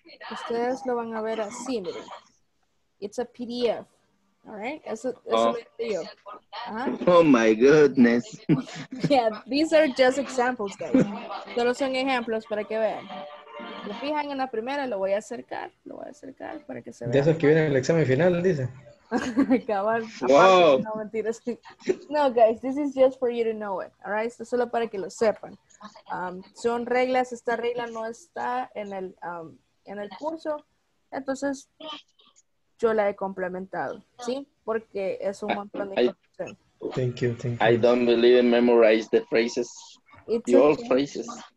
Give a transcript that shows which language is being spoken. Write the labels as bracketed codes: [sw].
[es] Ustedes lo van a ver así, miren. [en] It's a PDF. All right? [es] Eso es lo [en] uh-huh. Oh, my goodness. Yeah, these are just examples, guys. [es] Solo son ejemplos para que vean. Me fijan en la primera, lo voy a acercar para que se vean. De esos que vienen el examen final, dice. Cabal. [en] Wow. [es] No, mentiras. [en] No, guys, this is just for you to know it. All right? [es] Esto es solo para que lo sepan. Son reglas, esta regla no está en el curso, entonces yo la he complementado, ¿sí? Porque es un montón de [en] Thank you. I don't believe in memorize the phrases. it's the old phrases.